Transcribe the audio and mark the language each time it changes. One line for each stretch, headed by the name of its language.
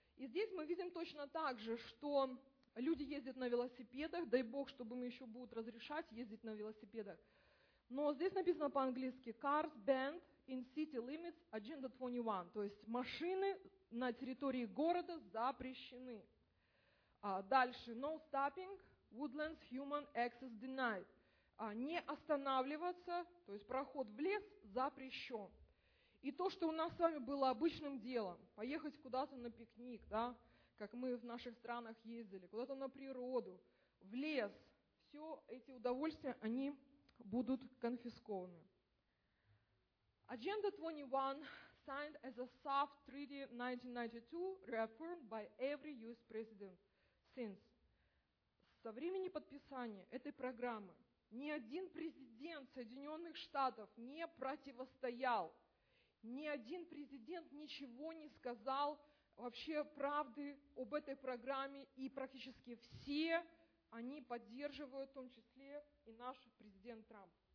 Russian: И здесь мы видим точно так же, что люди ездят на велосипедах, дай бог, чтобы им еще будут разрешать ездить на велосипедах. Но здесь написано по-английски
English: «Cars banned in city limits, Agenda 21»,
Russian: то есть машины на территории города запрещены. Дальше,
English: no stopping, woodlands human access denied.
Russian: Не останавливаться, то есть проход в лес запрещен. И то, что у нас с вами было обычным делом, поехать куда-то на пикник, да, как мы в наших странах ездили, куда-то на природу, в лес, все эти удовольствия, они будут конфискованы.
English: Agenda 21 signed as a soft treaty 1992, reaffirmed by every US president since.
Russian: Со времени подписания этой программы ни один президент Соединенных Штатов не противостоял, ни один президент ничего не сказал вообще правды об этой программе, и практически все они поддерживают, в том числе и наш президент Трамп.